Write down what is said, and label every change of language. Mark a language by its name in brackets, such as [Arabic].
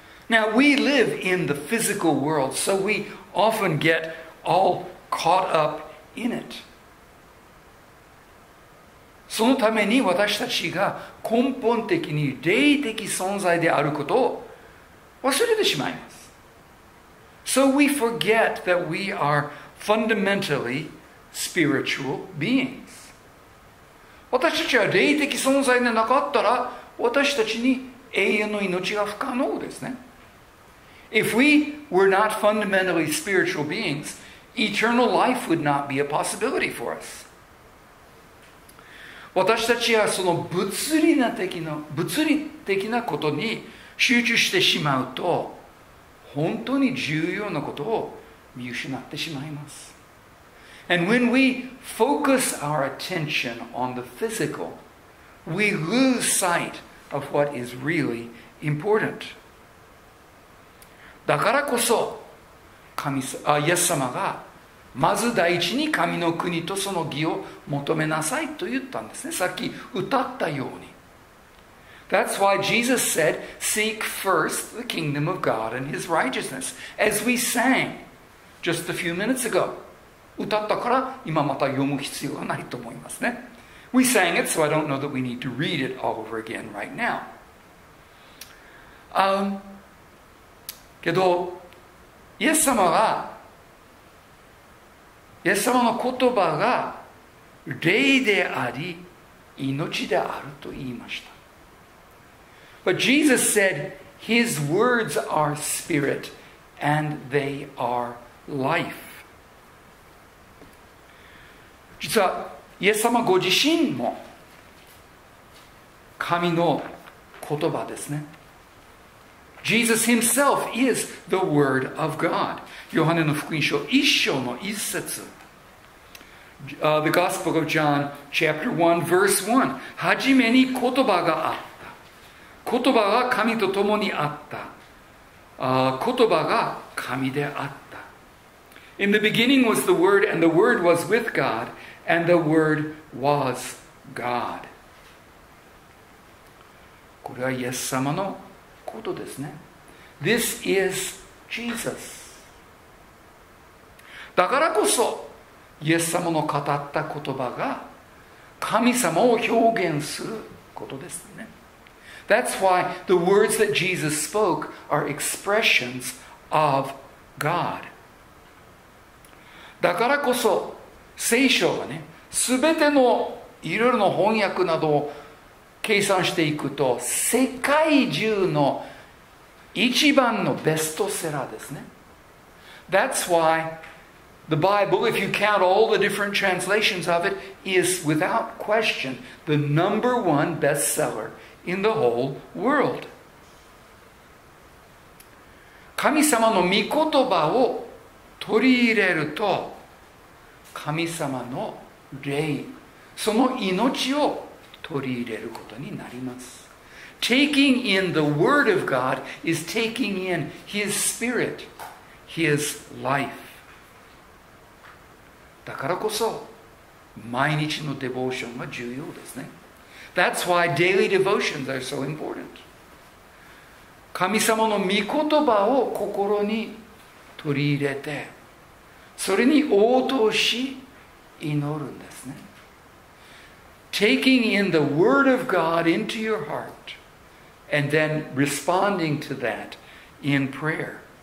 [English] Now we live in the physical world, so we often get all caught up in it. [Japanese] そのために私たちが根本的に霊的存在であることを忘れてしまいます。 [English] So we forget that we are fundamentally spiritual beings. [Japanese] 私たちは霊的存在でなかったら私たちに永遠の命が不可能ですね。 [English] If we were not fundamentally spiritual beings, eternal life would not be a possibility for us. [Japanese] 私たちはその物理的なことに集中してしまうと本当に重要なことを見失ってしまいます。 [English] And when we focus our attention on the physical, we lose sight of what is really important. [Japanese] だからこそ神様、イエス様がまず第一に神の国とその義を求めなさいと言ったんですね。さっき歌ったように。 [English] That's why Jesus said, Seek first the kingdom of God and his righteousness. As we sang just a few minutes ago. [Japanese] 歌ったから今また読む必要はないと思いますね。 [English] We sang it, so I don't know that we need to read it all over again right now. [Japanese] けど、イエス様はイエス様の言葉が霊であり命であると言いました。 [English] But Jesus said, His words are spirit and they are life. [Japanese] 実はイエス様ご自身も神の言葉ですね。 [English] Jesus himself is the word of God. [Japanese] ヨハネの福音書一章の一節。 [English] The Gospel of John, chapter 1, verse 1. [Japanese] はじめに言葉があった。言葉が神と共にあった。言葉が神であった。 [English] In the beginning was the Word, and the Word was with God, and the Word was God. [Japanese] これはイエス様のことですね。 [English] This is Jesus. [Japanese] だからこそ、イエス様の語った言葉が神様を表現することですね。 [English] That's why the words that Jesus spoke are expressions of God. [Japanese] だからこそ聖書はね、すべてのいろいろの翻訳などを計算していくと、世界中の一番のベストセラーですね。 [English] That's whyThe Bible, if you count all the different translations of it, is without question the number one bestseller in the whole world. [Japanese] 神様の御言葉を取り入れると、神様の霊、その命を取り入れることになります。 [English] Taking in the Word of God is taking in His Spirit, His life. [Japanese] だからこそ毎日のデボーションが重要ですね。 [English] That's why daily devotions are so important. [Japanese] 神様の御言葉を心に取り入れて、それに応答し祈るんですね。 [English] Taking in the word of God into your heart and then responding to that in prayer.